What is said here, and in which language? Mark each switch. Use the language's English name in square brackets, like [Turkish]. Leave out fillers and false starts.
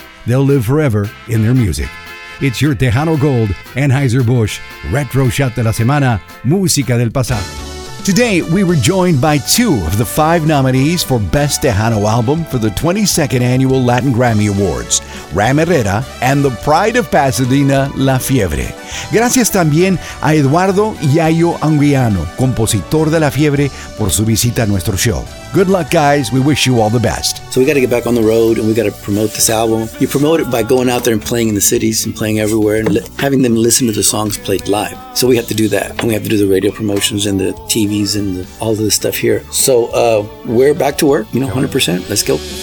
[English] They'll live forever in their music. It's your Tejano Gold, Anheuser-Busch, Retro Shot de la Semana, Música del Pasado. Today, we were joined by two of the five nominees for Best Tejano Album for the 22nd Annual Latin Grammy Awards, Ram Herrera and the Pride of Pasadena, La Fiebre. [Spanish] Gracias también a Eduardo Yayo Anguiano, compositor de La Fiebre, por su visita a nuestro show. [English] Good luck, guys. We wish you all the best. So we got to get back on the road, and we got to promote this album. You promote it by going out there and playing in the cities and playing everywhere and having them listen to the songs played live. So we have to do that, and we have to do the radio promotions and the TVs and all of this stuff here. So we're back to work, you know, 100%. Let's go.